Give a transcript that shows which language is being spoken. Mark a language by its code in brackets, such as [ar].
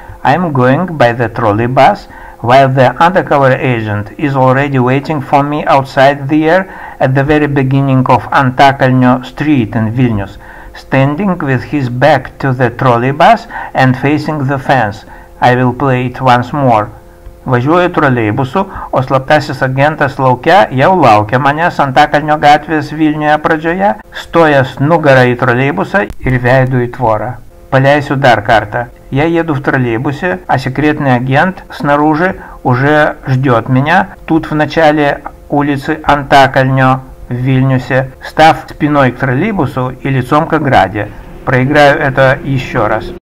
[en] I'm going by the trolley bus while the undercover agent is already waiting for me outside there at the very beginning of Antakalnio Street in Vilnius, standing with his back to the trolley bus and facing the fence. I will play it once more. [lt] Važiuoju troleibusu, o slaptasis agentas lauke jau laukia manęs Antakalnio gatvės Vilniuje pradžioje, stojęs nugarą į troleibusą ir veidu į tvorą. Paleisiu dar kartą. [ru] Я еду в троллейбусе, а секретный агент снаружи уже ждет меня, тут в начале улицы Антакальнё в Вильнюсе, став спиной к троллейбусу и лицом к ограде. Проиграю это еще раз.